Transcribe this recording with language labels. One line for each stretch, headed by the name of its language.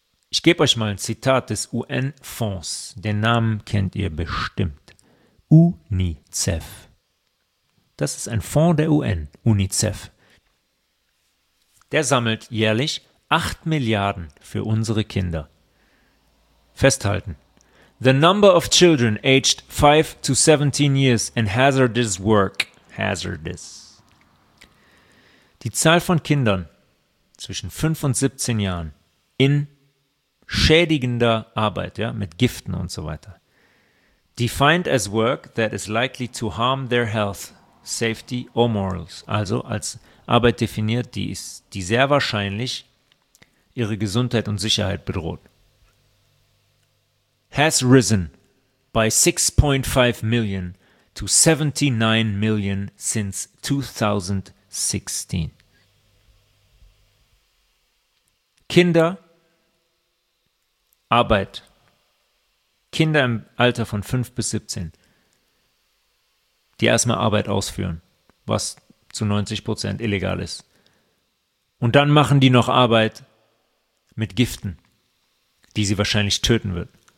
German: Ich gebe euch mal ein Zitat des UN-Fonds. Den Namen kennt ihr bestimmt. UNICEF. Das ist ein Fonds der UN, UNICEF. Der sammelt jährlich 8 Milliarden für unsere Kinder. Festhalten.
English: The number of children aged 5 to 17 years in hazardous work. Hazardous.
German: Die Zahl von Kindern zwischen 5 und 17 Jahren in schädigender Arbeit, ja, mit Giften und so weiter.
English: Defined as work that is likely to harm their health, safety or morals.
German: Also als Arbeit definiert, die sehr wahrscheinlich ihre Gesundheit und Sicherheit bedroht.
English: Has risen by 6.5 million to 79 million since 2016.
German: Kinder, Arbeit, Kinder im Alter von 5 bis 17, die erstmal Arbeit ausführen, was zu 90% illegal ist. Und dann machen die noch Arbeit mit Giften, die sie wahrscheinlich töten wird.